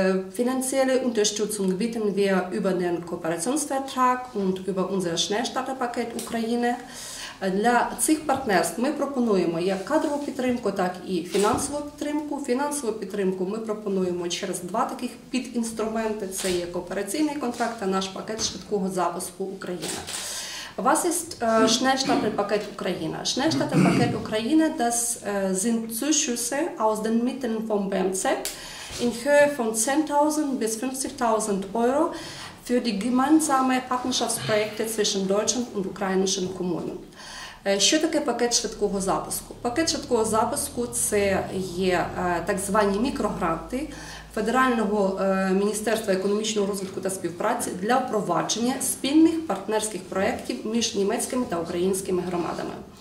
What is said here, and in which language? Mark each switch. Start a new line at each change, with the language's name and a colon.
German: Finanzielle Unterstützung bieten wir über den Kooperationsvertrag und über unser Schnellstarterpaket Ukraine.
Ukrainian: Для цих партнерств ми пропонуємо як кадрову підтримку, так і фінансову підтримку. Фінансову підтримку ми пропонуємо через два таких підінструменти. Це є коопераційний контракт та наш пакет швидкого запуску Україна. У вас є Schnellstarterpaket Ukraine.
German: Schnellstarterpaket Ukraine, das sind Zuschüsse aus den Mitteln vom BMZ in Höhe von 10.000 bis 50.000 Euro für die gemeinsame Partnerschaftsprojekte zwischen deutschen und ukrainischen Kommunen.
Ukrainian: Що таке пакет швидкого запуску? Пакет швидкого запуску – це є так звані мікрогранти Федерального міністерства економічного розвитку та співпраці для впровадження спільних партнерських проєктів між німецькими та українськими громадами.